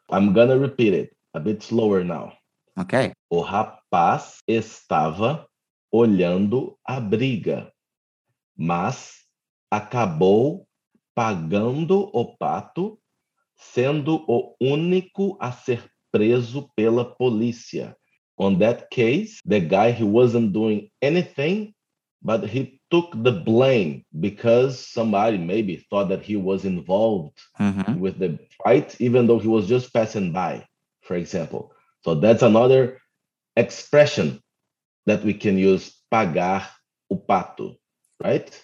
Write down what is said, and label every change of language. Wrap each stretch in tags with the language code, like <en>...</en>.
<en>I'm gonna repeat it a bit slower now. Okay.</en> <pt>O rapaz estava olhando a briga, mas acabou pagando o pato, sendo o único a ser preso pela polícia.</pt> <en>On that case, the guy, he wasn't doing anything, but he took the blame because somebody maybe thought that he was involved with the fight, even though he was just passing by, for example. So that's another expression that we can use, pagar o pato, right?</en>